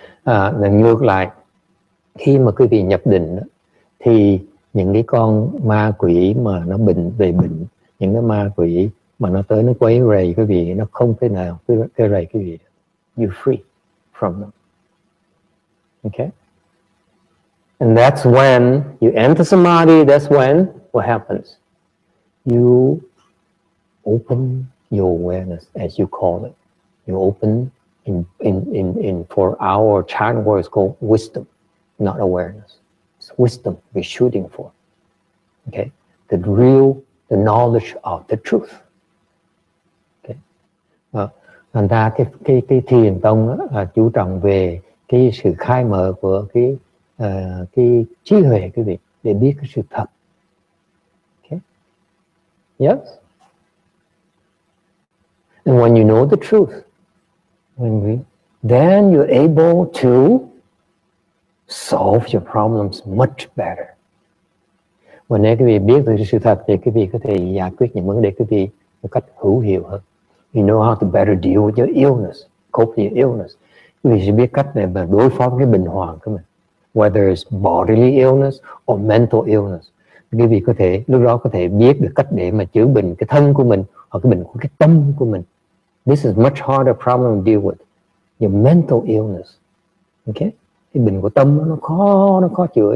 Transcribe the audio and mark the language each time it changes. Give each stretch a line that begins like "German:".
Vietnamese: Và ngược lại, khi mà quý vị nhập định đó, thì những cái con ma quỷ mà nó bệnh về bệnh, những cái ma quỷ mà nó tới nó quấy rầy quý vị, nó không thể nào quấy rầy quý vị.
English: You're free from them. Okay. And that's when you enter samadhi, that's when what happens? You open your awareness, as you call it. You open in for our chant words called wisdom, not awareness. It's wisdom we're shooting for. Okay? The real, the knowledge of the truth. Okay.
Vietnamese: Thành ra cái thiền tông chú trọng về cái sự khai mở của cái trí huệ quý vị để biết cái sự thật.
English: Okay. Yes. And when you know the truth, then you're able to solve your problems much better.
Vietnamese: Và nếu quý vị biết được sự thật thì quý vị có thể giải quyết những vấn đề quý vị một cách hữu hiệu hơn.
English: You know how to better deal with your illness, cope with your illness.
Vietnamese: Quý vị sẽ biết cách để mà đối phó với bệnh hoạn của mình.
English: Whether it's bodily illness or mental illness.
Vietnamese: Quý vị có thể, lúc đó có thể biết được cách để mà chữa bệnh cái thân của mình hoặc cái bệnh của cái tâm của mình.
English: This is much harder problem to deal with. Your mental illness. Okay?
Vietnamese: Cái bệnh của tâm nó khó chữa.